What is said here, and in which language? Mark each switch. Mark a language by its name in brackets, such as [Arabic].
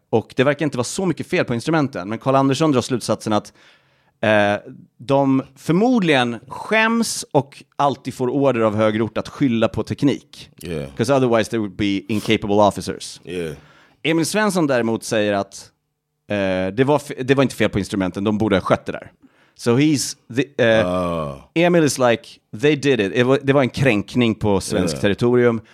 [Swedish] Och det verkar inte vara så mycket fel på instrumenten. Men Carl Andersson drar slutsatsen att de förmodligen skäms och alltid får order av högerort att skylla på teknik. [English] Yeah. Because otherwise they would be incapable officers. Yeah. [Swedish] Emil Svensson däremot säger att det var inte fel på instrumenten, de borde ha skött det där. [English] So he's Emil is like, they did it. [Swedish] Det var en kränkning på svensk territorium.